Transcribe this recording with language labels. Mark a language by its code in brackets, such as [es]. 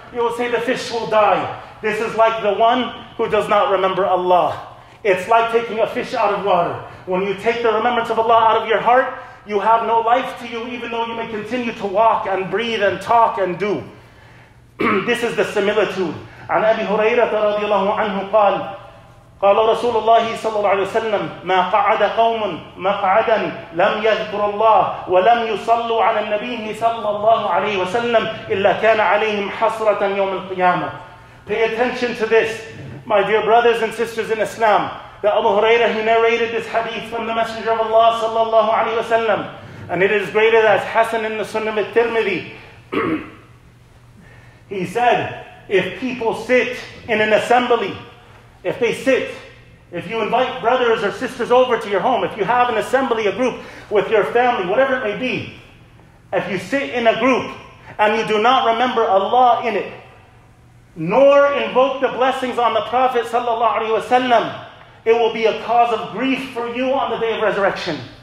[en] You will say the fish will die. This is like the one who does not remember Allah. It's like taking a fish out of water. When you take the remembrance of Allah out of your heart, you have no life to you, even though you may continue to walk and breathe and talk and do. This is the similitude. [ar] عن أبي هريرة رضي الله عنه قال قال رسول الله صلى الله عليه وسلم ما قعد قوم مقعدا لم يذكر الله ولم يصلوا على النبي صلى الله عليه وسلم إلا كان عليهم حسرة يوم القيامة. [en] Pay attention to this, my dear brothers and sisters in Islam, that Abu Hurairah, he narrated this hadith from the Messenger of Allah [ar] صلى الله عليه وسلم, [en] and it is greater than Hassan in the Sunnah of Tirmidhi. He said, if people sit in an assembly, if they sit, if you invite brothers or sisters over to your home, if you have an assembly, a group with your family, whatever it may be, if you sit in a group and you do not remember Allah in it, nor invoke the blessings on the Prophet sallallahu alaihi wasallam, it will be a cause of grief for you on the day of resurrection.